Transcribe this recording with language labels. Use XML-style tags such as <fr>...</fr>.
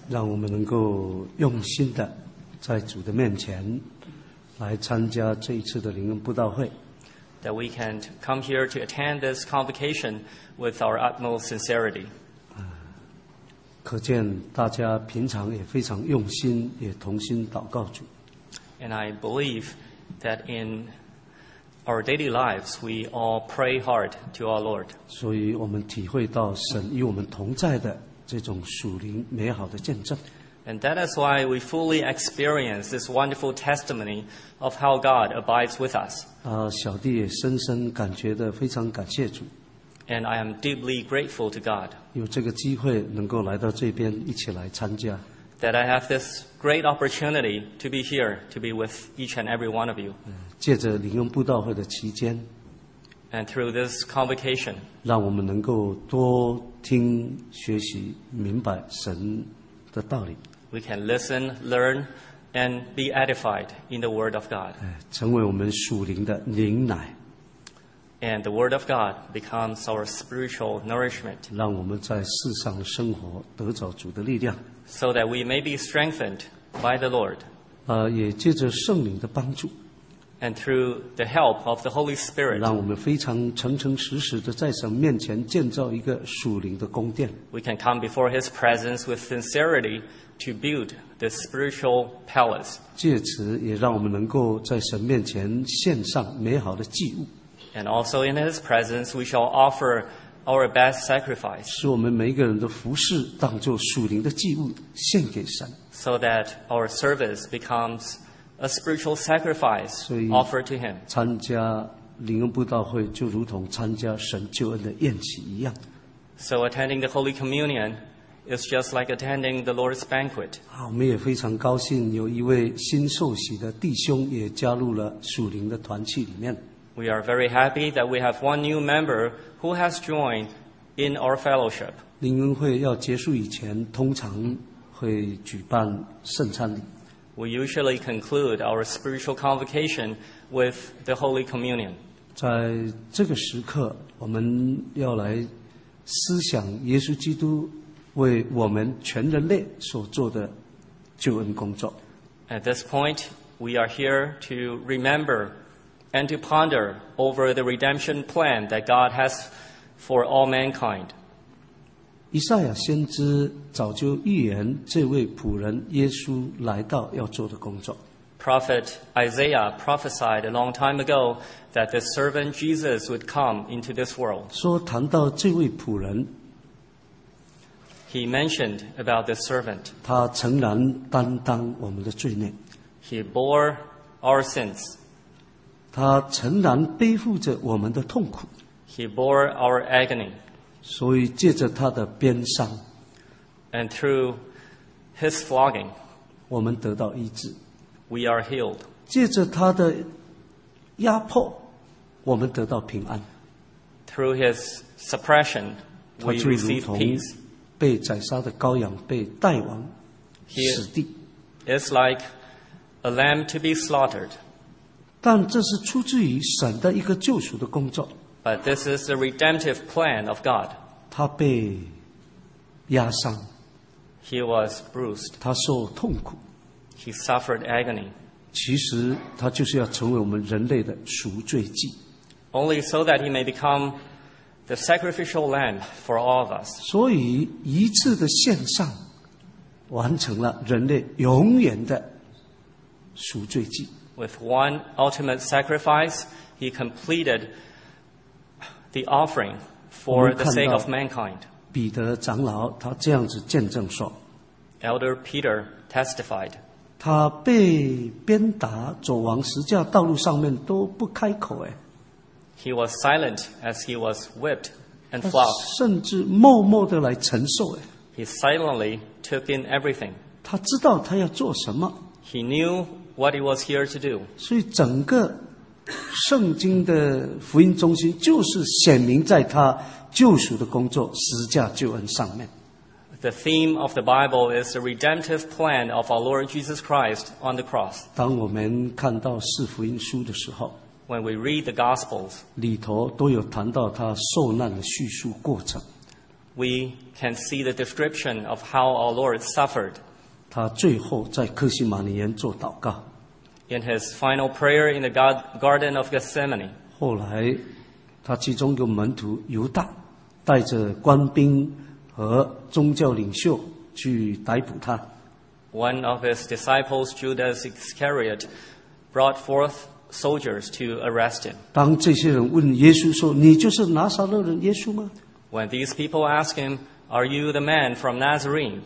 <zh>让我们能够用心的在主的面前来参加这一次的灵恩布道会。</zh> <en>That we can come here to attend this convocation with our utmost sincerity.</en> <zh>可见大家平常也非常用心，也同心祷告主。</zh> <en>And I believe that in our daily lives, we all pray hard to our Lord.</en> <zh>所以我们体会到神与我们同在的这种属灵美好的见证。</zh> <en>And that is why we fully experience this wonderful testimony of how God abides with us.</en> <zh>小弟也深深感觉得非常感谢主。</zh> <en>And I am deeply grateful to God.</en> <zh>有这个机会能够来到这边一起来参加。</zh> <en>That I have this great opportunity to be here, to be with each and every one of you.</en> <zh>借着灵恩布道会的期间</zh> <en>，and through this convocation,</en> <zh>让我们能够多听、学习、明白神的道理。</zh> <en>We can listen, learn, and be edified in the Word of God.</en> <zh>成为我们属灵的灵奶。</zh> <en>And the Word of God becomes our spiritual nourishment.</en> <zh>让我们在世上生活得着主的力量。</zh> <en>So that we may be strengthened by the Lord.</en> <zh>也借着圣灵的帮助。</zh> <en>And through the help of the Holy Spirit.</en> <zh>让我们非常诚诚实实地在神面前建造一个属灵的宫殿。</zh> <en>We can come before His presence with sincerity to build the spiritual palace.</en> <zh>借此也让我们能够在神面前献上美好的祭物。</zh> <en>And also in His presence, we shall offer our best sacrifice.</en> <zh>使我们每一个人的服事当作属灵的祭物献给神。</zh> <en>So that our service becomes a spiritual sacrifice offered to Him.</en> <zh>参加灵恩布道会就如同参加神救恩的宴席一样。</zh> <en>So attending the Holy Communion is just like attending the Lord's banquet.</en> <zh>我们也非常高兴有一位新受洗的弟兄也加入了属灵的团契里面。</zh> <en>We are very happy that we have one new member who has joined in our fellowship.</en> <zh>灵恩会要结束以前通常会举办圣餐礼。</zh> <en>We usually conclude our spiritual convocation with the Holy Communion.</en> <zh>在这个时刻我们要来思想耶稣基督为我们全人类所做的救恩工作。</zh> <en>At this point, we are here to remember and to ponder over the redemption plan that God has for all mankind.</en> <zh>以赛亚先知早就预言这位仆人耶稣来到要做的工作。</zh> <en>Prophet Isaiah prophesied a long time ago that the servant Jesus would come into this world.</en> <zh>说谈到这位仆人，</zh> <en>He mentioned about the servant.</en> <zh>他诚然担当我们的罪孽。</zh> <en>He bore our sins.</en> <zh>他诚然背负着我们的痛苦。</zh> <en>He bore our agony.</en> <zh>所以借着他的鞭伤</zh> <en>，and through his flogging,</en> <zh>我们得到医治。</zh> <en>We are healed.</en> <zh>借着他的压迫，我们得到平安。</zh> <en>Through his suppression, we receive peace.</en> <zh>他就如同被宰杀的羔羊被带往死地。</zh> <en>It's like a lamb to be slaughtered.</en> <zh>但这是出自于神的一个救赎的工作。</zh> <en>But this is the redemptive plan of God.</en> <zh>他被压伤。</zh> <en>He was bruised.</en> <zh>他受痛苦。</zh> <en>He suffered agony.</en> <zh>其实他就是要成为我们人类的赎罪祭。</zh> <en>Only so that he may become the sacrificial lamb for all of us.</en> <zh>所以一次的献上完成了人类永远的赎罪祭。</zh> <en>With one ultimate sacrifice, he completed the offering for the sake of mankind.</en> <zh>彼得长老他这样子见证说</zh> <en>Elder Peter testified.</en> <zh>他被鞭打走往十架道路上面都不开口哎。</zh> <en>He was silent as he was whipped and flogged.</en> <zh>甚至默默地来承受哎。</zh> <en>He silently took in everything.</en> <zh>他知道他要做什么。</zh> <en>He knew. What he was here to do.</en> <zh>所以整个圣经的福音中心就是显明在他救赎的工作十架救恩上面。</zh> <en>The theme of the Bible is the redemptive plan of our Lord Jesus Christ on the cross.</en> <zh>当我们看到四福音书的时候，</zh> <en>When we read the Gospels,</en> <zh>里头都有谈到他受难的叙述过程。</zh> <en>We can see the description of how our Lord suffered.</en> <zh>他最后在克西马尼园做祷告。</zh> <en>In his final prayer in the Garden of Gethsemane.</en> <zh>后来他其中一个门徒犹大带着官兵和宗教领袖去逮捕他。</zh> <en>One of his disciples, Judas Iscariot, brought forth soldiers to arrest him.</en> <zh>当这些人问耶稣说，你就是拿撒勒人耶稣吗？</zh> <en>When these people ask him, are you the man from Nazarene?</en>